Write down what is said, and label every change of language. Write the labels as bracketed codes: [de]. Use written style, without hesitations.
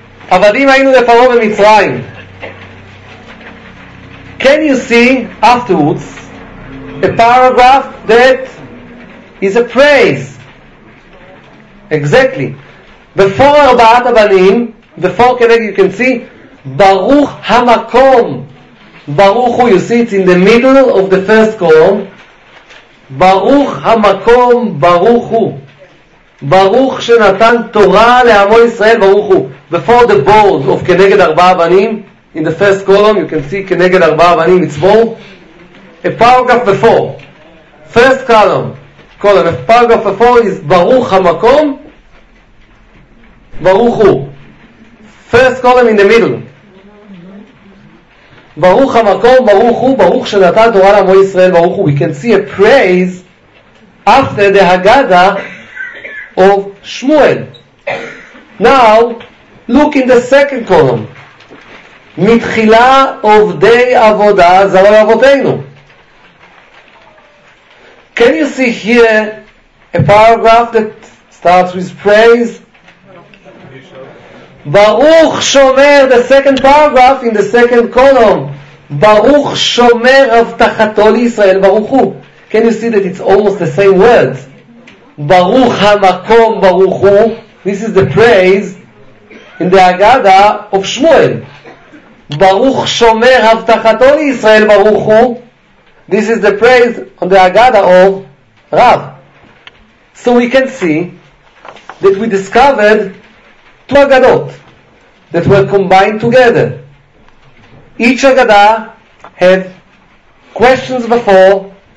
[he] עבדים היינו לפרעה במצרים. [en] Can you see afterwards a paragraph that is a praise? Exactly. Before ארבעת הבנים, before כנגד, you can see [he] ברוך המקום. ברוך הוא, [en] you see it's in the middle of the first column. [he] ברוך המקום, ברוך הוא. ברוך שנתן תורה לעמו ישראל, ברוך הוא. [en] Before the board of כנגד ארבעה בנים, in the first column, you can see כנגד ארבעה בנים, it's more. A paragraph before. First column. A paragraph before is [he] ברוך המקום, ברוך הוא. [en] First column in the middle. [he] ברוך המקום, ברוך הוא, ברוך שנתן תורה לעמו ישראל, ברוך הוא. [en] We can see a praise after the Haggadah of Shmuel. Now look in the second column. [he] Mitchila Ovdei Avoda Zarah Avoteinu. [en] Can you see here a paragraph that starts with praise? Baruch Shomer, the second paragraph in the second column. [he] Baruch Shomer Avtachato Yisrael Baruch Hu. [en] Can you see that it's almost the same words? [he] ברוך המקום ברוך הוא. [en] This is the praise in the Haggadah of Shmuel. [he] ברוך שומר הבטחתו לישראל ברוך הוא. [en] This is the praise on the Haggadah of Rav. So we can see that we discovered two Haggadot that were combined together. Each Haggadah had questions before